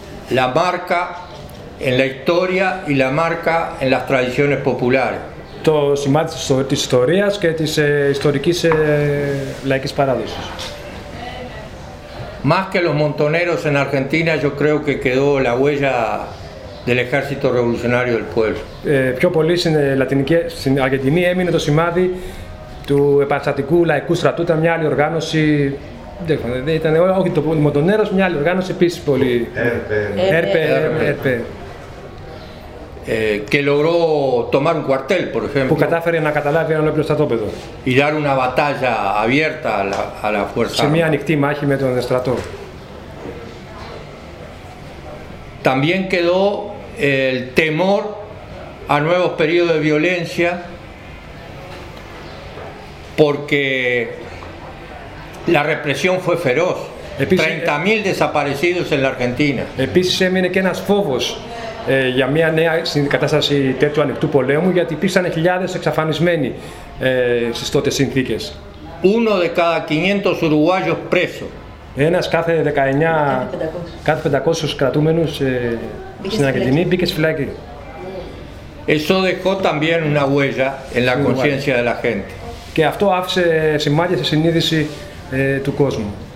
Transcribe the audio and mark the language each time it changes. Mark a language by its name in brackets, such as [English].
[Spanish] La marca en la historia y la marca en las tradiciones populares. [Greek] Το σημάδι της ιστορίας και της ιστορικής λαϊκής παράδοσης. [Spanish] Más que los montoneros en Argentina, yo creo que quedó la huella del ejército revolucionario del pueblo. [Greek] Πιο πολύ στην Αργεντινή έμεινε το σημάδι του επαναστατικού λαϊκού στρατού, ήταν μια άλλη οργάνωση. Ήταν όχι το Μοντονέρος, μια άλλη οργάνωση επίσης πολύ. ΕΡΠΕ. [Spanish] Que logró tomar un cuartel, por ejemplo. [Greek] Που κατάφερε να καταλάβει ένα ολόκληρο στρατόπεδο. [Spanish] Y dar una batalla abierta a la fuerza. [Greek] Σε μια ανοιχτή μάχη με τον στρατό. [Spanish] También quedó el temor a nuevos periodos de violencia, porque la represión fue feroz. 30.000 desaparecidos en la Argentina. [Greek] Επίσης έμεινε και ένας φόβος για μια νέα κατάσταση τέτοιου ανοιχτού πολέμου, γιατί υπήρξαν χιλιάδες εξαφανισμένοι στις τότε συνθήκες. [Spanish] Uno de cada 500 uruguayos preso. [Greek] Ένας κάθε 500 κρατούμενους στην Αργεντινή μπήκε στη φυλακή. [Spanish] Eso dejó también una huella en la conciencia de la gente. [Greek] Και αυτό άφησε σημάδια στη συνείδηση του κόσμου.